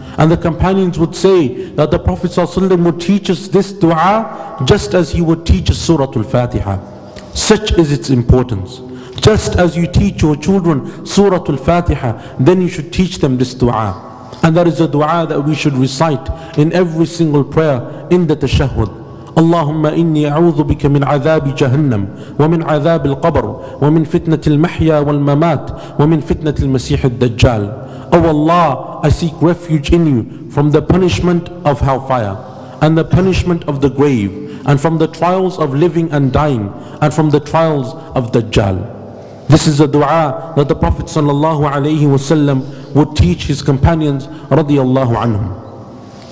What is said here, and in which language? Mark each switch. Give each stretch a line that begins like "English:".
English: And the companions would say that the Prophet sallallahu alayhi wa sallam would teach us this dua just as he would teach us Suratul Fatiha. Such is its importance. Just as you teach your children Suratul Fatiha, then you should teach them this dua. And that is a dua that we should recite in every single prayer in the tashahud.
Arabic: اللهم إني أعوذ بك من عذاب جهنم ومن عذاب القبر ومن فتنة المحيا والممات ومن فتنة المسيح الدجال.
English: Oh Allah, I seek refuge in you from the punishment of hellfire and the punishment of the grave and from the trials of living and dying and from the trials of Dajjal. This is a dua that the Prophet sallallahu alayhi wa sallam would teach his companions radiyallahu anhum.